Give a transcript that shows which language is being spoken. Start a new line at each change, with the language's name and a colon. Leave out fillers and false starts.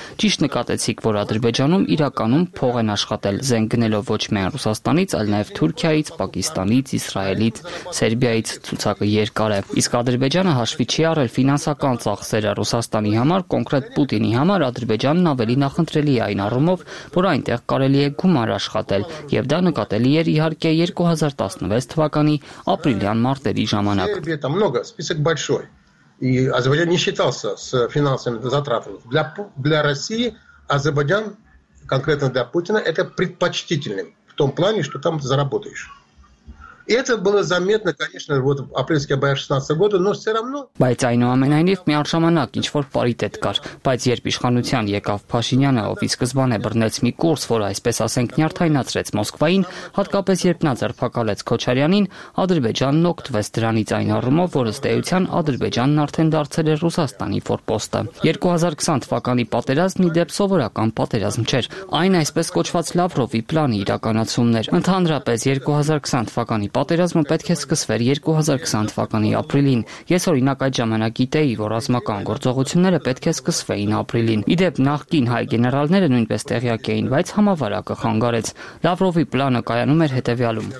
Armenian: Ճիշտ նկատեցիք, որ Ադրբեջանում իրականում փող են աշխատել զենք գնելով ոչ միայն Ռուսաստանից, այլ նաեւ Թուրքիայից, Պակիստանից, Իսրայելից, Սերբիայից, ցուցակը երկար է, իսկ Ադրբեջանը հաշվի չի առել ֆինանսական ծախսերը Ռուսաստանի համար, կոնկրետ Պուտինի համար Ադրբեջանն ավելի նախընտրելի է այն առումով, որ այնտեղ կարելի է գումար աշխատել, եւ դա նկատելի էր իհարկե 2016 թվականի ապրիլյան մարտերի ժամանակ։
Russian: Ադրբեջանը չշիտался с финансами затратами. Для России Азербайджан конкретно для Путина это предпочтительным в том плане, что там заработаешь. Это было заметно, конечно, вот в апрельские боя 16 года, но всё равно.
Armenian: Բայց այնուամենայնիվ մի արժանանակ ինչ որ պարիտետ կար, բայց երբ իշխանության եկավ Փաշինյանը, ով ի սկզբանե բռնեց մի կուրս, որը այսպես ասենք նյարդայնացրեց Մոսկվային, հատկապես երբ նա ձերբակալեց Քոչարյանին, Ադրբեջանն օգտվեց դրանից այն առումով, որ ըստ էության Ադրբեջանն արդեն դարձել էր Ռուսաստանի ֆորպոստը։ 2020 թվականի պատերազմի դեպ սովորական պատերազմ չէր, այն այսպես կոչված Լավրովի պլանի իրականացումներ։ Ընդհանրապես 2020 թվականի պատերազմը պետք է սկսվեր 2020 թվականի ապրիլին։ Ես օրինակ այդ ժամանակ գիտեի, որ ռազմական գործողությունները պետք է սկսվեին ապրիլին։ Իդեպ նախկին հայ գեներալները նույնպես տեղյակ էին, բայց համավարակը խանգարեց։ Լավրովի պլանը կայանում էր հետևյալում.